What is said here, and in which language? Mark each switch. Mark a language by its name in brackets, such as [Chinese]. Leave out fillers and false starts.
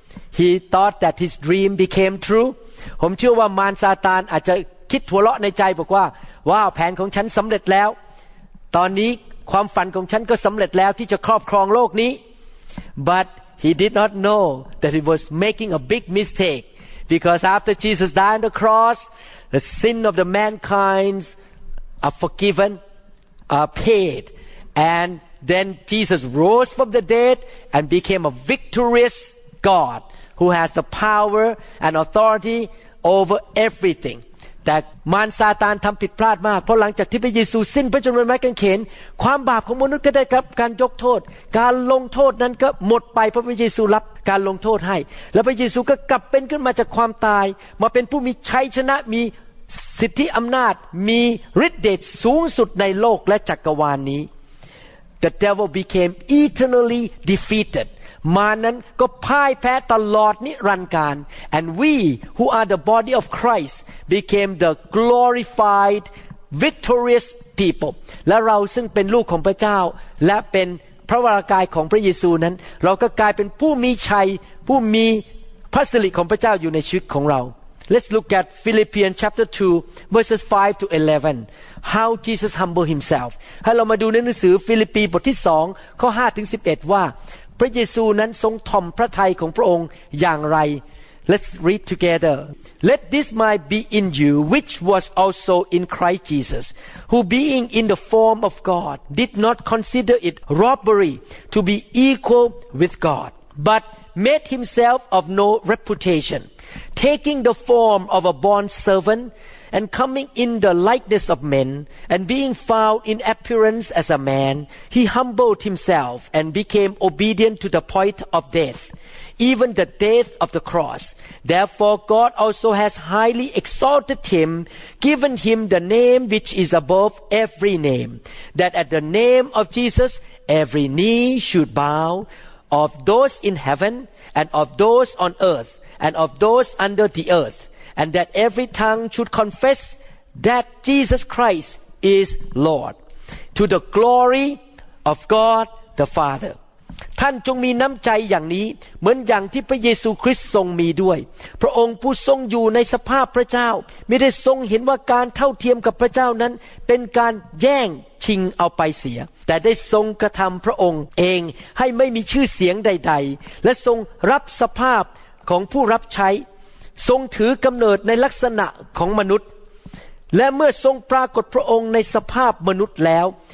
[English] He thought that his dream became true. [Thai] ผมเชื่อว่ามารซาตานอาจจะคิดหัวเราะในใจบอกว่าว้าวแผนของฉันสำเร็จแล้วตอนนี้ความฝันของฉันก็สำเร็จแล้วที่จะครอบครองโลกนี้ [English] But he did not know that he was making a big mistake because after Jesus died on the cross, the sin of the mankind are forgiven, are paid, and. Then Jesus rose from the dead and became a victorious God who has the power and authority over everything. [Thai] แต่มารซาตานทำผิดพลาดมากเพราะหลังจากที่พระเยซูสิ้นพระชนม์บนไม้กางเขนความบาปของมนุษย์ก็ได้รับการยกโทษการลงโทษนั้นก็หมดไปเพราะพระเยซูรับการลงโทษให้และพระเยซูก็กลับเป็นขึ้นมาจากความตายมาเป็นผู้มีชัยชนะมีสิทธิอำนาจมีฤทธิ์เดชสูงสุดในโลกและจักรวาลนี้ [English] The devil became eternally defeated. Man [Thai] นั้นก็พ่ายแพ้ตลอดนิรันดร์กาล [English] And we who are the body of Christ became the glorified, victorious people. [Thai] และเราซึ่งเป็นลูกของพระเจ้าและเป็นพระวรกายของพระเยซูนั้นเราก็กลายเป็นผู้มีชัยผู้มีพระสิริของพระเจ้าอยู่ในชีวิตของเรา [English] Let's look at Philippians chapter 2 verses 5 to 11. How Jesus humbled himself. [Thai] ให้เรามาดูในหนังสือฟิลิปปีบทที่2ข้อ5ถึง11ว่าพระเยซูนั้นทรงถ่อมพระทัยของพระองค์อย่างไร [English] Let's read together. Let this mind be in you, which was also in Christ Jesus, who being in the form of God, did not consider it robbery to be equal with God, but made himself of no reputation, taking the form of a bond servant,And coming in the likeness of men, and being found in appearance as a man, he humbled himself and became obedient to the point of death, even the death of the cross. Therefore, God also has highly exalted him, given him the name which is above every name, that at the name of Jesus every knee should bow, of those in heaven, and of those on earth, and of those under the earth. And that every tongue should confess that Jesus Christ is Lord, to the glory of God the Father. [Thai] ท่านจงมีน้ำใจอย่างนี้เหมือนอย่างที่พระเยซูคริสต์ทรงมีด้วยพระองค์ผู้ทรงอยู่ในสภาพพระเจ้าไม่ได้ทรงเห็นว่าการเท่าเทียมกับพระเจ้านั้นเป็นการแย่งชิงเอาไปเสียแต่ได้ทรงกระทำพระองค์เองให้ไม่มีชื่อเสียงใดๆและทรงรับสภาพของผู้รับใช้ทรงถือกำเนิดในลักษณะของมนุษย์และเมื่อทรงปรากฏพระองค์ในสภาพมนุษย์แล้ว